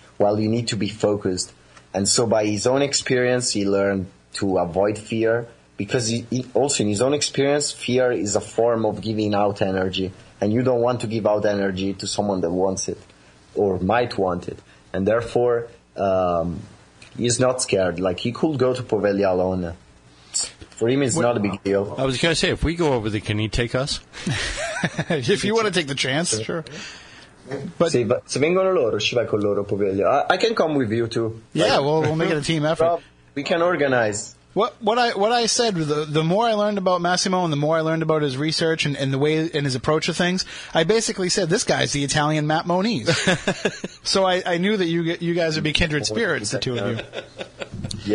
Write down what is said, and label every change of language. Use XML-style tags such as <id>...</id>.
<en>Well, you need to be focused. And so by his own experience, he learned to avoid fear, because he also, in his own experience, fear is a form of giving out energy, and you don't want to give out energy to someone that wants it or might want it. And therefore, he's not scared. Like, he could go to Poveglia alone. For him, it's not a big deal. I was going to say, if we go over there, can he take us? If you want to take the chance, sure. But</en> <it>se vengono loro, ci vai con loro, Poveglia.</it> <en>I can come with you too. Yeah, right? we'll make it a team effort. Well, we can organize. What I said, the more I learned about Massimo and the more I learned about his research and the way and his approach to things, I basically said, this guy's the Italian Matt Moniz. So I knew that you guys would be kindred spirits, the two of you.</en>